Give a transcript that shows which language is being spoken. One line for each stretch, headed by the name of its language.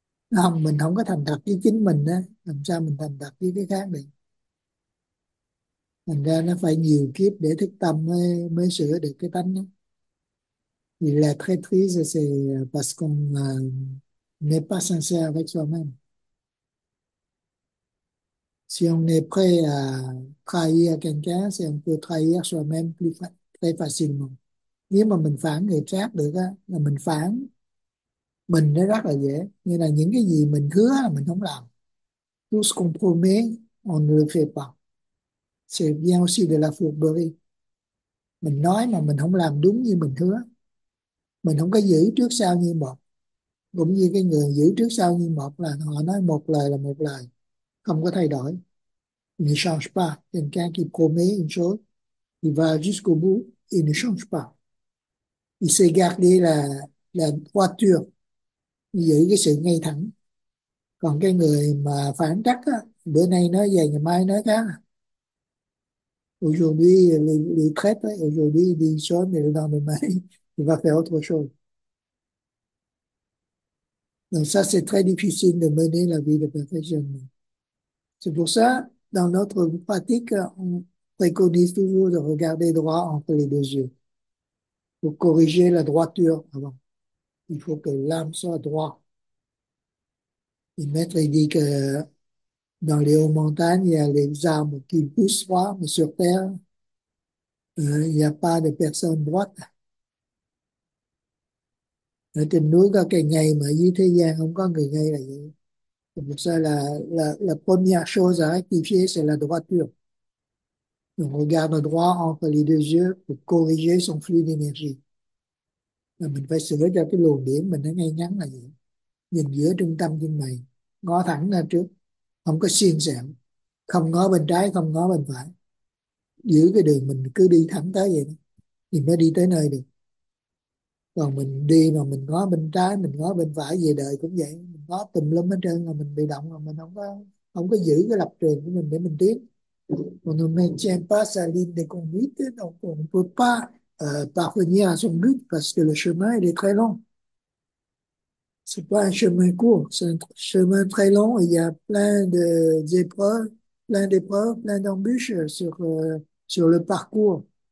Vietnamese: Không, mình không có thành thật với chính mình á, làm sao mình thành thật với cái khác được. Thành ra nó phải nhiều kiếp để thức tâm mới sửa được cái tánh đó.
French: Il est très triste, c'est parce qu'on n'est pas sincère avec soi-même. Si on est prêt à trahir quelqu'un, si on peut trahir soi-même plus fa très facilement.
Vietnamese: Nếu mà mình phản người khác được á, là mình phản mình nó rất là dễ. Như là những cái gì mình hứa là mình không làm.
French: Tout ce qu'on promet, on ne le fait pas. C'est bien aussi de la fourberie.
Vietnamese: Mình nói mà mình không làm đúng như mình hứa. Mình không có giữ trước sau như một. Cũng như cái người giữ trước sau như một là họ nói một lời là một lời. Không có thay đổi.
French: Il ne change pas. Quelqu'un qui promet une chose, il va jusqu'au bout, il ne change pas. Il sait garder la droiture.
Vietnamese: Giữ cái sự ngay thẳng. Còn cái người mà phản trắc á, bữa nay nói về ngày mai nói khác.
French: Aujourd'hui, les traits, aujourd'hui, il sort, mais le lendemain, il va faire autre chose. Donc ça, c'est très difficile de mener la vie de perfectionnement. C'est pour ça, dans notre pratique, on préconise toujours de regarder droit entre les deux yeux pour corriger la droiture avant. Il faut que l'âme soit droite. Le maître, il dit que dans les hautes montagnes, il y a les arbres qui poussent droit, mais sur terre, il n'y a pas de personne droite. Ở trên núi có cây ngay, mà dưới thế gian không có người ngay là gì. Pour ça, la première chose à rectifier, c'est la droiture. On regarde droit entre les deux yeux pour corriger son flux d'énergie.
Vietnamese: Mình phải sửa cho cái luồng điểm mình nó ngay ngắn là gì. Nhìn giữa trung tâm chân mày, ngó thẳng ra trước, không có xiên xẹo, không ngó bên trái, không ngó bên phải. Giữ cái đường mình cứ đi thẳng tới vậy thì mới đi tới nơi được. Còn mình đi mà mình ngó bên trái, mình ngó bên phải, về đời cũng vậy. Mình ngó tùm lum hết trơn là mình bị động, là mình không có giữ cái lập trường của mình để mình tiến.
French: On ne maintient pas sa ligne de conduite, donc on ne peut pas parvenir à son but parce que le chemin il est très long. Ce n'est pas un chemin court, c'est un chemin très long. Il y a plein d'épreuves, plein d'épreuves, plein d'embûches sur le parcours.